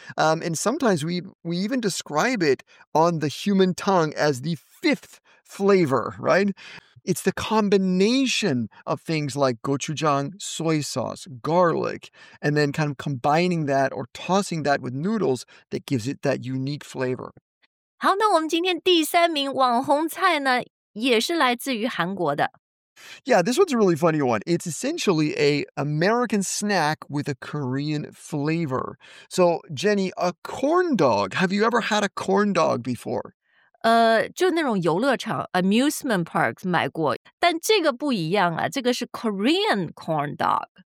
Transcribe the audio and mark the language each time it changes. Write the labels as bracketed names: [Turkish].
[English] And sometimes we even describe it on the human tongue as the fifth flavor, right? It's the combination of things like gochujang, soy sauce, garlic, and then kind of combining that or tossing that with noodles that gives it that unique flavor. [Chinese] 好，那我们今天第三名网红菜呢，也是来自于韩国的。 [English] Yeah, this one's a really funny one. It's essentially a American snack with a Korean flavor. So, Jenny, a corn dog. Have you ever had a corn dog before? [Chinese] 就那种游乐场 amusement park 买过，但这个不一样啊，这个是 Korean corn dog.